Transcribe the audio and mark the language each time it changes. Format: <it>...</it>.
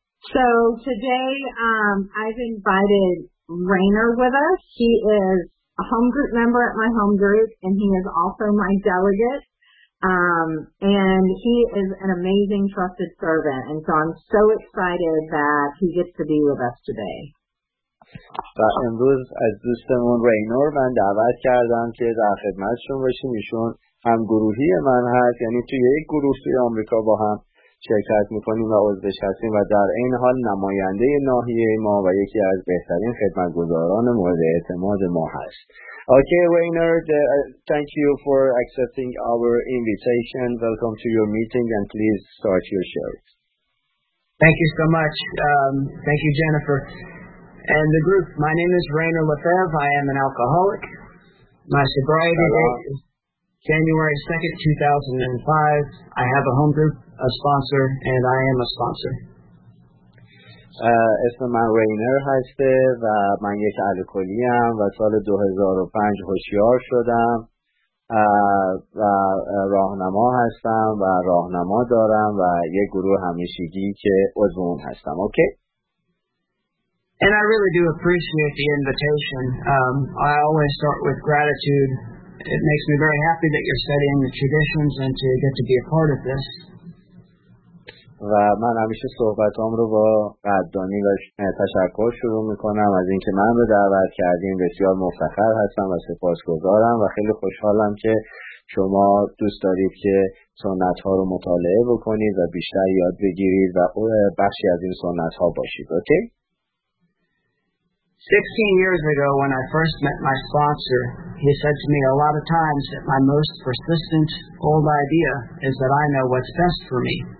<en>So today I've invited Rainer with us. He is a home group member at my home group, and he is also my delegate. And he is an amazing trusted servant. And so I'm so excited that he gets to be with us today. And those as</en> <fa>دوستمون رینور من دعوت کردم که در خدمتشون باشیم. ایشون هم گروهی من هست، یعنی توی یک گروه توی آمریکا با هم شرکت میکنیم و عضوش هستیم و در این حال نماینده ناحیه ما و یکی از بهترین خدمتگزاران مورد اعتماد ما هست.</fa> <en>Okay, Rainer, thank you for accepting our invitation. Welcome to your meeting and please start your share. Thank you so much. Thank you, Jennifer. And the group, my name is Rainer Lefebvre. I am an alcoholic. My sobriety date is January 2nd, 2005. I have a home group, a sponsor, and I am a sponsor.</en> <fa>اسم من رینر هسته و من یک الکلی هم و سال 2005 هوشیار شدم و راهنما هستم و راهنما دارم و یک گروه همیشگی که عضو اون هستم.</fa> <en>Okay. And I really do appreciate the invitation. I always start with gratitude. It makes me very happy that you're studying the traditions and to get to be a part of this.</en> <fa>و من همیشه صحبتام رو با قدردانی و تشکر شروع میکنم از اینکه من رو دعوت کردین. بسیار مفتخر هستم و سپاسگزارم و خیلی خوشحالم که شما دوست دارید که سنت ها رو مطالعه بکنید و بیشتر یاد بگیرید و بخشی از این سنت ها باشید.</fa> <en>Okay. 16 years ago when I first met my sponsor, he said to me a lot of times that my most persistent old idea is that I know what's best for me.</en>